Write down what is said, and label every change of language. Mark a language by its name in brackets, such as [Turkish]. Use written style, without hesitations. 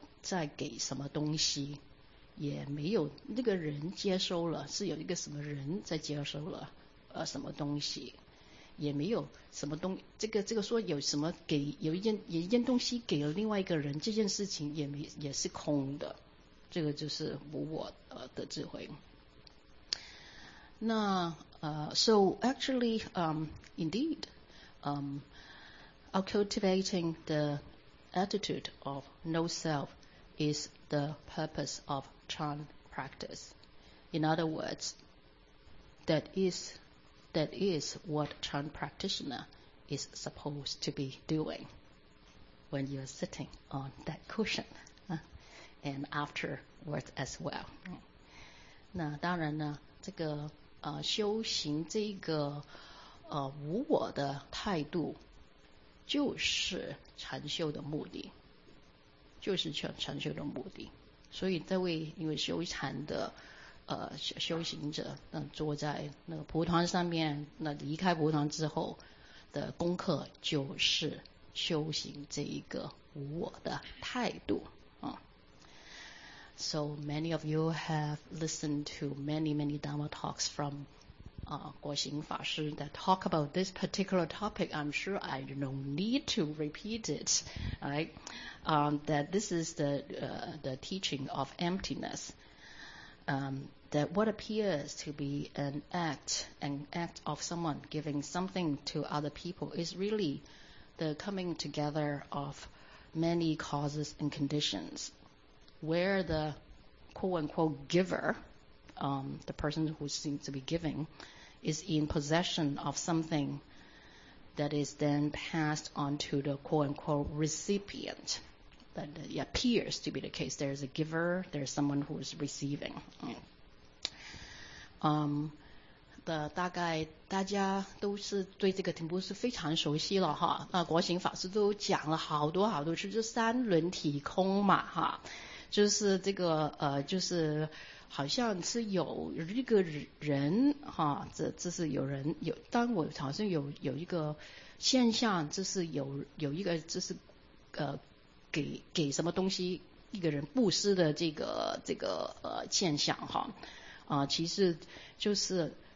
[Chinese] 在给什么东西，也没有那个人接收了，是有一个什么人在接收了，什么东西，也没有什么东，这个说有什么给，有一件东西给了另外一个人，这件事情也是空的，这个就是无我的智慧。 [English] 那so actually indeed cultivating the attitude of no self. Is the purpose of Chan practice. In other words, that is what Chan practitioner is supposed to be doing when you're sitting on that cushion, and afterwards as well. [Chinese] 那当然呢，这个修行这个无我的态度，就是禅修的目的。就是禅修的目的，所以这位因为修禅的修行者，那坐在那个蒲团上面，那离开蒲团之后的功课就是修行这一个无我的态度啊。 [English] So many of you have listened to many Dharma talks from Guo Xing法师 that talk about this particular topic. I'm sure I don't need to repeat it, right? That this is the teaching of emptiness, that what appears to be an act of someone giving something to other people is really the coming together of many causes and conditions where the quote-unquote giver, the person who seems to be giving, is in possession of something that is then passed on to the quote-unquote recipient. That appears to be the case. There is a giver, there is someone who is receiving. Mm. [Chinese] 大概大家都是对这个挺不是非常熟悉了哈，那国行法师都讲了好多好多，就是三轮体空嘛哈，就是这个就是好像是有一个人哈，这是有人有，当我好像有一个现象，就是有一个就是给什么东西一个人布施的这个现象哈，其实就是。